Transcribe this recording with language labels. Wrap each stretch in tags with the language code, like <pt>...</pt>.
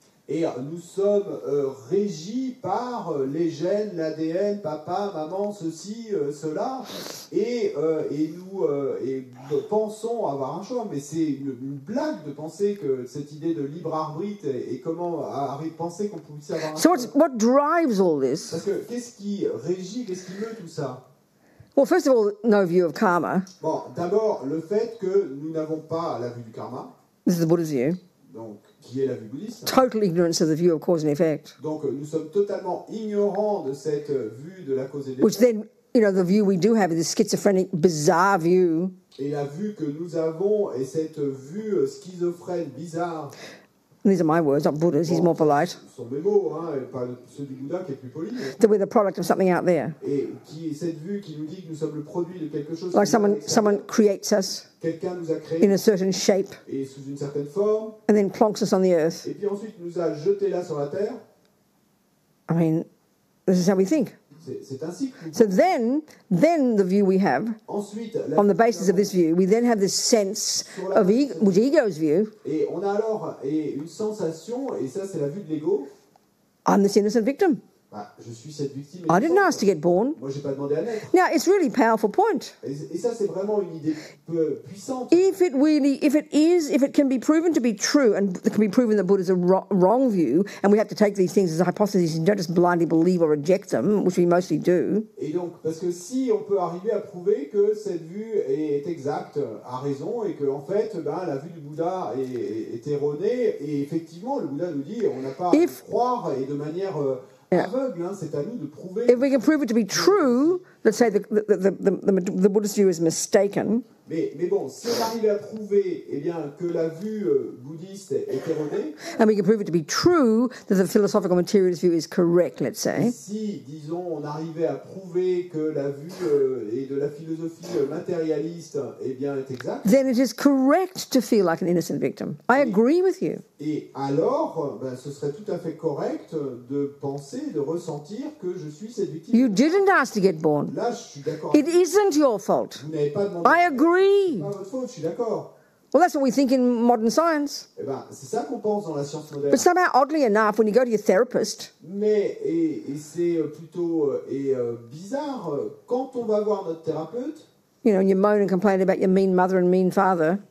<fr>Et nous sommes régis par les gènes, l'ADN, papa, maman, ceci, cela, et nous pensons avoir un choix, mais c'est une blague de penser que cette idée de libre arbitre et comment penser qu'on pouvait avoir un</fr> <en>choix. So what drives all this?</en> <fr>Parce que qu'est-ce qui régit, qu'est-ce qui meut tout ça?</fr> <en>Well, first of all, no view of karma.</en> <fr>Bon, d'abord, le fait que nous n'avons pas la vue du karma.</fr> <en>This is the Buddha's view.</en> <fr>Donc, qui est la vue bouddhiste.</fr> <en>Total ignorance of the view of cause and effect.</en> <fr>Donc, nous sommes totalement ignorants de cette vue de la cause et de</fr> <en>l'effet. Which then, you know, the view we do have is this schizophrenic, bizarre view.</en> <fr>Et la vue que nous avons est cette vue schizophrène, bizarre.</fr> <en>And these are my words, not Buddha's,</en> <fr>bon,</fr> <en>he's more polite.</en> <fr>Sont mes mots, hein, et pas ceux du Bouddha qui est plus poli.</fr> <en>That we're the product of something out there.</en> <fr>Et qui est cette vue qui nous dit que nous sommes le produit de quelque chose.</fr> <en>Like someone creates us.</en> <fr>Quelqu'un nous a créé.</fr> <en>In a certain shape.</en> <fr>Et sous une certaine forme.</fr> <en>And then plonks us on the earth.</en> <fr>Et puis ensuite nous a jeté là sur la terre.</fr> <en>I mean, this is how we think.</en> <fr>C'est ainsi.</fr> <en>So then the view we have,</en> <fr>ensuite,</fr> <en>on the basis of this view, we then have this sense of which ego's view.</en> <fr>Et on a alors une sensation, et ça c'est la vue de l'ego.</fr> <en>I'm this innocent victim. I didn't ask to get born. Now, it's a really powerful point. If it can be proven to be true, and it can be proven that Buddha's a wrong view, and we have to take these things as a hypothesis and don't just blindly believe or reject them, which we mostly do.</en> <fr>Et donc, parce que si on peut arriver à prouver que cette vue est exacte, a raison, et que en fait, ben, la vue du Bouddha est erronée, et effectivement, le Bouddha nous dit, on n'a pas à croire et de manière aveugle,</fr> <en>if we can prove it to be true, let's say the Buddhist view is mistaken.</en> <fr>Mais bon, si on arrive à prouver, eh bien, que la vue bouddhiste est erronée.</fr> <en>And we can prove it to be true that the philosophical materialist view is correct, let's say.</en> <fr>Si, disons, on arrivait à prouver que la vue et de la philosophie matérialiste, eh bien, est exacte.</fr> <en>Then it is correct to feel like an innocent victim. I agree with you.</en> <fr>Et alors, ben, ce serait tout à fait correct de penser, de ressentir que je suis cette victime.</fr> <en>You didn't ask to get born.</en> <fr>Là, je suis d'accord.</fr> <en>It isn't your fault.</en> <fr>Vous n'avez pas demandé.</fr> <en>I agree. Agree. Well, that's what we think in modern science.</en> <fr>Eh ben, c'est ça qu'on pense dans la science moderne.</fr> <en>But somehow, oddly enough, when you go to your therapist,</en> <fr>c'est bizarre quand on va voir notre thérapeute.</fr> <en>You know, and you moan and complain about your mean mother and mean father.</en>